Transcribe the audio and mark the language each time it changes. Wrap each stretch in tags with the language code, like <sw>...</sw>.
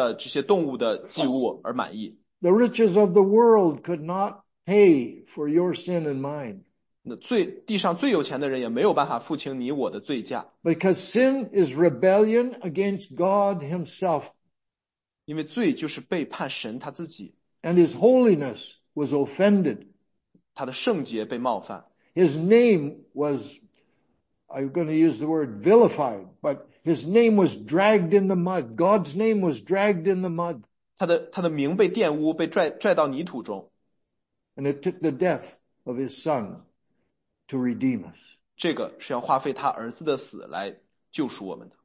<zh>他也没有为那个数百万的这些动物的祭物而满意。</zh> <en>The riches of the world could not pay for your sin and mine.</en> <zh>那地上最有钱的人也没有办法付清你我的罪价。</zh> <en>Because sin is rebellion against God himself.</en> <zh>因为罪就是背叛神他自己。</zh> <en>And his holiness was offended.</en> <zh>他的圣洁被冒犯。</zh> <en>His name was, I'm going to use the word vilified, but his name was dragged in the mud. God's name was dragged in the mud.</en> <zh>他的名被玷污,被拽到泥土中。</zh> <en>And it took the death of his son to redeem us.</en> <zh>这个是要花费他儿子的死来救赎我们的。</zh>